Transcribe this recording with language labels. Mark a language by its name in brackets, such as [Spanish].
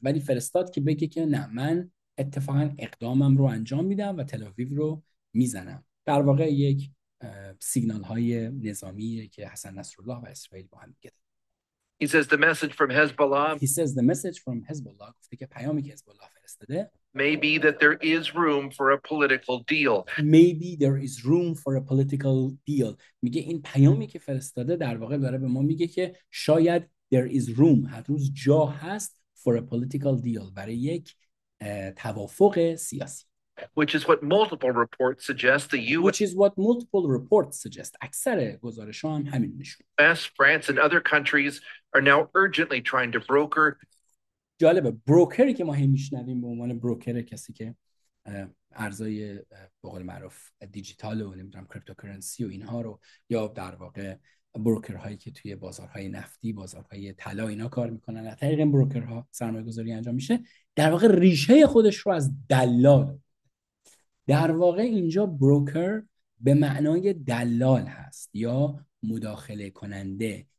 [Persian] ولی فرستاد که بگه که نه، من اتفاقا اقدامم رو انجام میدم و تل آویو رو میزنم. در واقع یک سیگنال های نظامیه که حسن نصرالله و اسرائیل با هم میگه. [English] He says the message from Hezbollah. He says the message from Hezbollah. [Persian] گفته که پیامی که حزب‌الله فرستاده. [English] Maybe that there is room for a political deal. Maybe there is room for a political deal. [Persian] میگه این پیامی که فرستاده در واقع داره به ما میگه که شاید [English] there is room, [Persian] هنوز جا هست [English] for a political deal, [Persian] برای یک توافق سیاسی. [English] Which is what multiple reports suggest the US. Which is what multiple reports suggest. [Persian] اکثر گزارش ها هم همین نشون. [English] US, France and other countries are now urgently trying to broker. [Persian] جالبه. بروکری که ما هم میشنویم به عنوان بروکر کسی که ارزای به قول معروف دیجیتال و نمیدونم کریپتوکرنسی و اینها رو، یا در واقع بروکرهایی که توی بازارهای نفتی، بازارهای طلا اینا کار میکنن، از طریق این بروکرها سرمایه گذاری انجام میشه، در واقع ریشه خودش رو از دلال، در واقع اینجا بروکر به معنای دلال هست یا مداخله کننده.